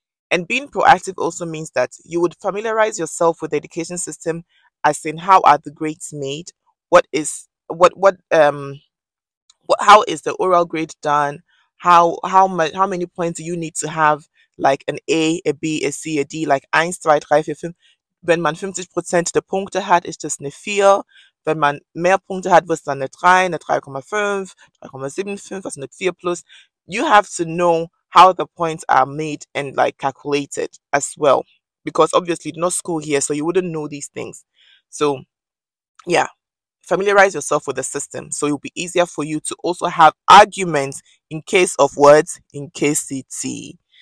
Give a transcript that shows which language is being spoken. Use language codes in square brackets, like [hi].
[en] And being proactive also means that you would familiarize yourself with the education system, as in how are the grades made, how is the oral grade done, how many points do you need to have, like an A, a B, a C, a D, like 1, 2, 3, 4, 5. [de] Wenn man 50% der Punkte hat, ist das eine 4. Wenn man mehr Punkte hat, wird es dann eine 3, eine 3,5, 3,75, also eine 4 plus. [en] You have to know how the points are made and like calculated as well, because obviously no school here, so you wouldn't know these things. So yeah, familiarize yourself with the system so it'll be easier for you to also have arguments in case of words in KCT.